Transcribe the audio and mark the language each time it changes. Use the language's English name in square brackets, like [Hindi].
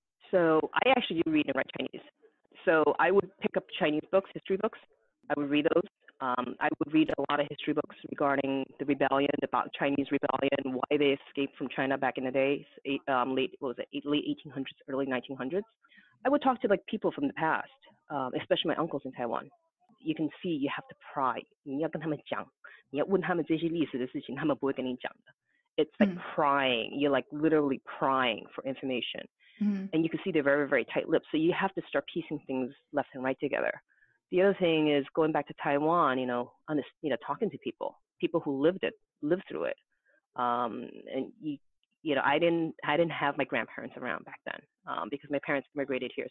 [English] So I actually do read and write Chinese. So I would pick up Chinese books, history books. I would read those. I would read a lot of history books regarding the rebellion, about Chinese rebellion, why they escaped from China back in the day, late 1800s, early 1900s. I would talk to like people from the past, especially my uncles in Taiwan. You can see you have to pry. [Chinese] 你要跟他们讲，你要问他们这些历史的事情，他们不会跟你讲的。 [English] It's like prying. You're like literally prying for information. Mm-hmm. And you can see they're very, very tight-lipped. So you have to start piecing things left and right together. The other thing is going back to Taiwan, talking to people who lived through it. I didn't have my grandparents around back then because my parents immigrated here.